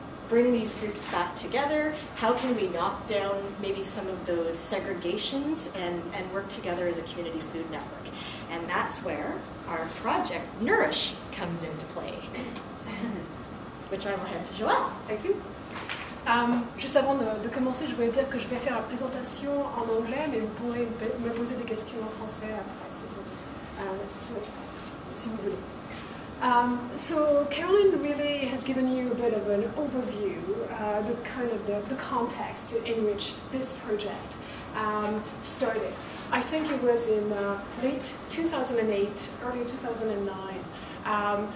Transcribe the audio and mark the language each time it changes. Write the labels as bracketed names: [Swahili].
[English] bring these groups back together? How can we knock down maybe some of those segregations and work together as a community food network? And that's where our project Nourish comes into play, which I will hand to Joelle. Thank you. [French] Juste avant de commencer, je voulais dire que je vais faire la présentation en anglais, mais vous pourrez me poser des questions en français après, si vous voulez. [English] So Caroline really has given you a bit of an overview, the context in which this project started. I think it was in late 2008, early 2009.